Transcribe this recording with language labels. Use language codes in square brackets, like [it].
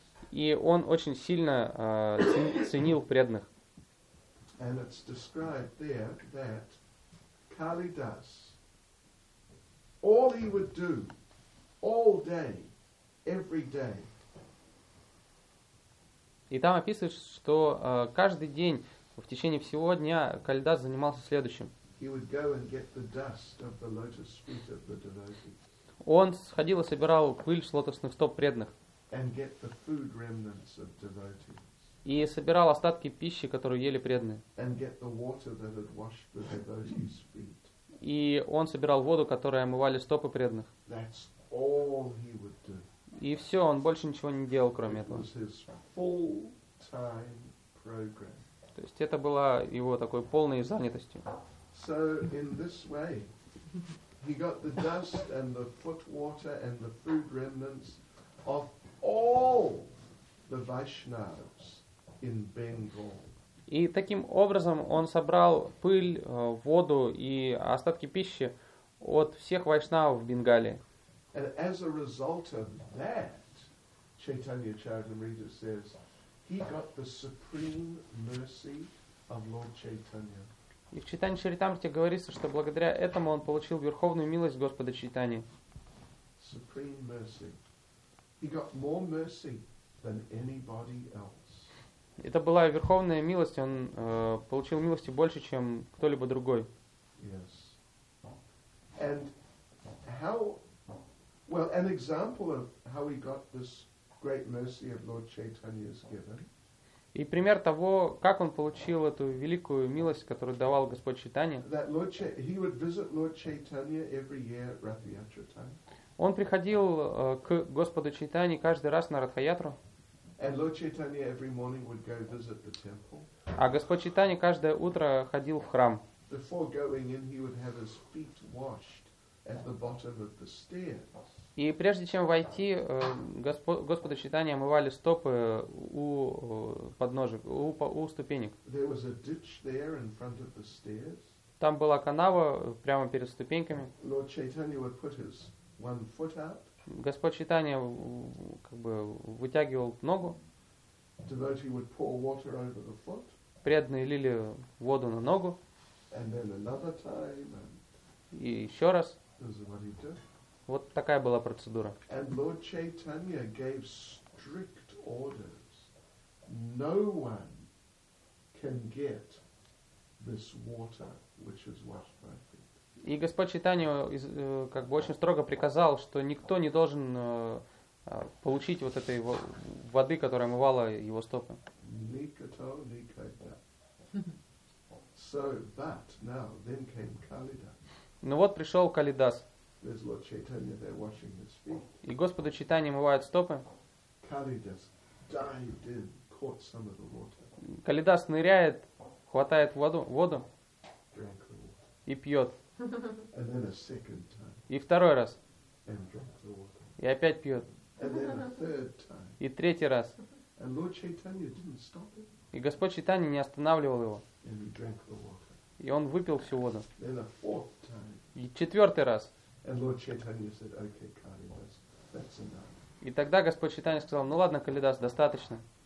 [ru] И он очень сильно ценил преданных. [en] And it's described there that Kali Das, all he would do, all day, every day. [ru] И там описывается, что каждый день, в течение всего дня, Кали Дас занимался следующим. [en] He would go and get the dust of the lotus feet of the devotees. [ru] Он сходил и собирал пыль с лотосных стоп преданных. [en] And get the food remnants of devotees. [ru] И собирал остатки пищи, которую ели преданные. [en] And get the water that had washed the devotees' feet. [ru] И он собирал воду, которой омывали стопы преданных. [en] That's all he would do. [ru] И все, он больше ничего не делал, кроме [en] It [ru] этого. [en] Was his full-time program. [ru] То есть это была его такой полной занятостью. [en] So in this way, he got the dust and the foot water and the food remnants of all the Vaishnavas in Bengal. [ru] И таким образом он собрал пыль, воду и остатки пищи от всех вайшнавов в Бенгалии. [en] And as a result of that, Chaitanya Charitamrita says, he got the supreme mercy of Lord Chaitanya. [ru] И в Чайтанье Чаритамрите говорится, что благодаря этому он получил верховную милость Господа Чайтани. [en] Supreme mercy. He got more mercy than anybody else. [ru] Это была верховная милость, он получил милости больше, чем кто-либо другой. [en] Yes. And how... Well, an example of how he got this great mercy of Lord Chaitanya is given. [ru] И пример того, как он получил эту великую милость, которую давал Господь Чайтанья. [en] That Lord he would visit Lord Chaitanya every year at Ратха-Ятра time. [ru] Он приходил к Господу Чайтанье каждый раз на Ратха-Ятру. [en] And Lord Chaitanya every morning would go visit the temple. [ru] А Господь Чайтанья каждое утро ходил в храм. [en] Before going in, he would have his feet washed. At the bottom of the stairs. [ru] И прежде чем войти, Господу Чайтанье омывали стопы у подножек, у ступенек. [en] There was a ditch there in front of the stairs. [ru] Там была канава прямо перед ступеньками. [en] Lord Chaitanya would put his one foot out. [ru] Господь Чайтанье как бы вытягивал ногу. [en] Devotee would pour water over the foot. [ru] Преданные лили воду на ногу. [en] And then another time. And... [ru] И еще раз. [en] This is what he did. [ru] Вот такая была процедура. [en] And Lord Chaitanya gave strict orders. No one can get this water, which is washed by feet. [ru] И Господь Чайтанья как бы очень строго приказал, что никто не должен получить вот этой воды, которая омывала его стопы. Никто никогда. [en] So, but now, then came Kalidas. [ru] Ну вот пришел Калидас. [en] There's Lord Chaitanya there washing his feet. [ru] И Господу Чайтанье мывают стопы. [en] Kalidas dived in, caught some of the water. [ru] Калидас ныряет, хватает воду [en] drank the water. [ru] И пьет. [en] And then a second time. [ru] И второй раз. [en] And drank the water. [ru] И опять пьет. [en] And then a third time. [ru] И третий раз. [en] And Lord Chaitanya didn't stop him. [ru] И Господь Чайтанье не останавливал его. [en] And he drank the water. [ru] И он выпил всю воду. [en] Then a fourth time. [ru] И четвертый раз. [en] And Lord Chaitanya said, okay, Kalidas, that's enough. [ru] И тогда Господь Чайтанья сказал, ну ладно, Калидас, достаточно.